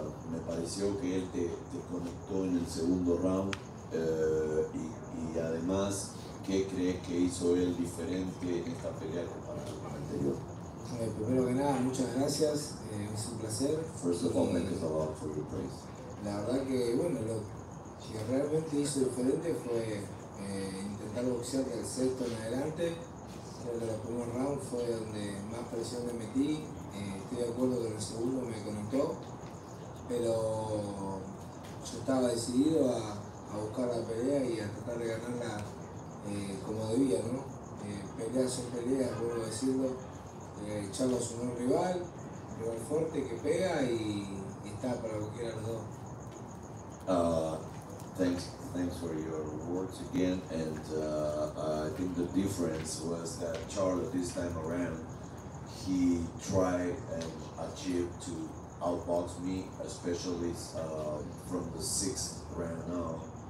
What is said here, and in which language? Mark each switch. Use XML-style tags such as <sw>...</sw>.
<es>Me pareció que él te conectó en el segundo round y además, ¿qué crees que hizo él diferente en esta pelea comparado con la anterior? Primero que nada, muchas gracias, es un placer.</es> <en>First of all, thank you a lot for your praise.</en> <es>La verdad que, bueno, lo que realmente hizo diferente fue intentar boxear del sexto en adelante. Creo que el primer round fue donde más presión me metí. Estoy de acuerdo que en el segundo me conectó, pero yo estaba decidido a buscar la pelea y a tratar de ganarla como debía, ¿no? Peleas son peleas, vuelvo a decirlo. Charlo es un buen rival, un rival fuerte que pega y está para cualquiera de los dos.</es> <en>Thanks for your words again, and I think the difference was that Charlo this time around, he tried and achieved to outbox me, especially from the sixth round now.</en>